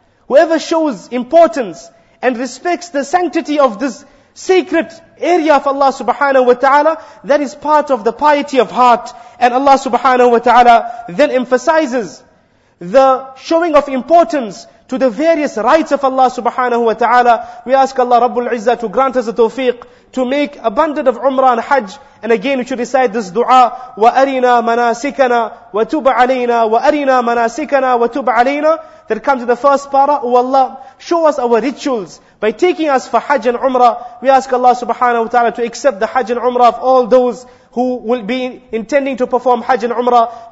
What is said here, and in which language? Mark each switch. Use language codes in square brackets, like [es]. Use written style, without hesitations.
[en] Whoever shows importance and respects the sanctity of this sacred area of Allah subhanahu wa ta'ala, that is part of the piety of heart. And Allah subhanahu wa ta'ala then emphasizes the showing of importance to the various rights of Allah subhanahu wa ta'ala. We ask Allah Rabbul Izzah to grant us the tawfiq to make abundant of Umrah and Hajj. And again, we should recite this dua, [ar] وَأَرِنَا مَنَاسِكَنَا وَتُبْ عَلَيْنَا وَأَرِنَا مَنَاسِكَنَا وَتُبْ عَلَيْنَا. [en] That comes in the first para. O Allah, show us our rituals by taking us for Hajj and Umrah. We ask Allah subhanahu wa ta'ala to accept the Hajj and Umrah of all those who will be intending to perform Hajj and Umrah.